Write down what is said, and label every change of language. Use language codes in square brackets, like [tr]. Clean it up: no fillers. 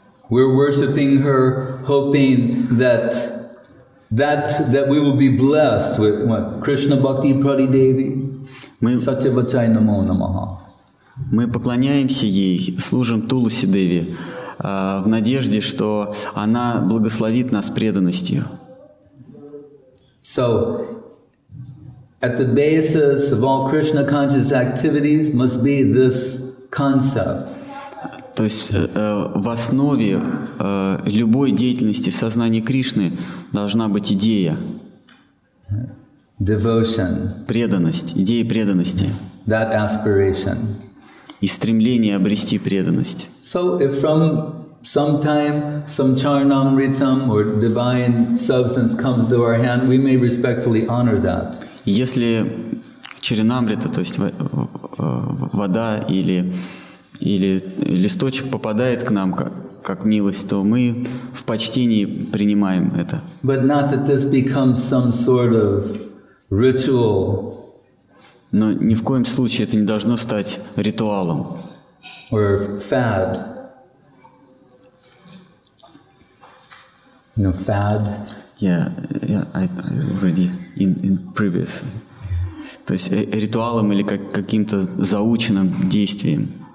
[en] We're worshiping her hoping that that we will be blessed with what? [sa] Krishna bhakti prati devi satya vachai namo namaha. [ru] Мы поклоняемся ей, служим Туласи Деви в надежде, что она благословит нас преданностью. [en] So, at the basis of all Krishna conscious activities must be this concept. [ru] То есть в основе любой деятельности в сознании Кришны должна быть идея. [en] Devotion. [ru] Преданность, идея преданности. [en] That aspiration. [ru] И стремление обрести преданность. [en] So if from some time some charnamritam or divine substance comes to our hand, we may respectfully honor that. [ru] Если чаринамрита, то есть вода или листочек попадает к нам как милость, то мы в почтении принимаем это. [en] But not that this becomes some sort of ritual. [ru] Но ни в коем случае это не должно стать ритуалом. [en] Or fad. You know, fad. Yeah, I already in previous. [ru] То есть ритуалом или каким-то заученным действием.